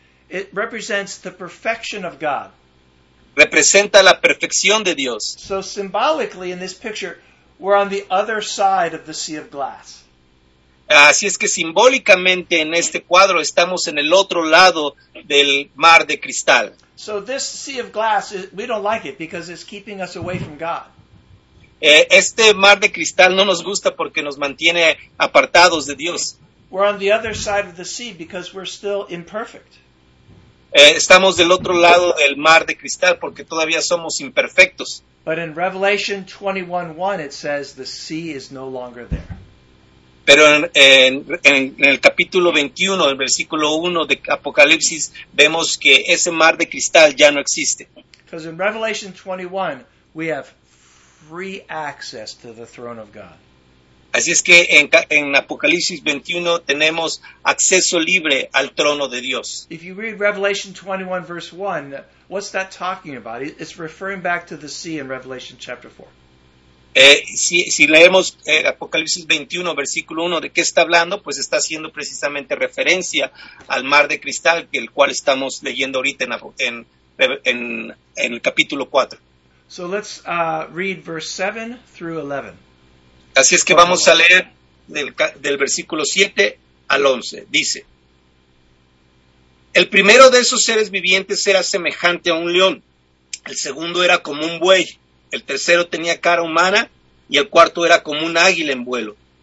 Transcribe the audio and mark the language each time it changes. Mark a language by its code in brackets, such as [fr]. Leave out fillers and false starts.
[en] It represents the perfection of God. [es] Representa la perfección de Dios. [en] So symbolically in this picture, we're on the other side of the sea of glass. [es] Así es que simbólicamente en este cuadro estamos en el otro lado del mar de cristal. [en] So this sea of glass, we don't like it because it's keeping us away from God. [es] Este mar de cristal no nos gusta porque nos mantiene apartados de Dios. [en] We're on the other side of the sea because we're still imperfect. [es] Estamos del otro lado del mar de cristal porque todavía somos imperfectos. [en] But in Revelation 21:1 it says the sea is no longer there. [es] Pero en el capítulo 21, el versículo 1 de Apocalipsis, vemos que ese mar de cristal ya no existe. [en] Because in Revelation 21, we have free access to the throne of God. [es] Así es que en Apocalipsis 21 tenemos acceso libre al trono de Dios. [en] If you read Revelation 21, verse 1, what's that talking about? It's referring back to the sea in Revelation chapter 4. [es] Si leemos Apocalipsis 21, versículo 1, ¿de qué está hablando? Pues está haciendo precisamente referencia al mar de cristal, el cual estamos leyendo ahorita en el capítulo 4. [en] So let's read verse 7 through 11. [es] Así es que vamos a leer del versículo 7 al 11. Dice, el primero de esos seres vivientes era semejante a un león, el segundo era como un buey, el tercero tenía cara humana y el cuarto era como un águila en vuelo.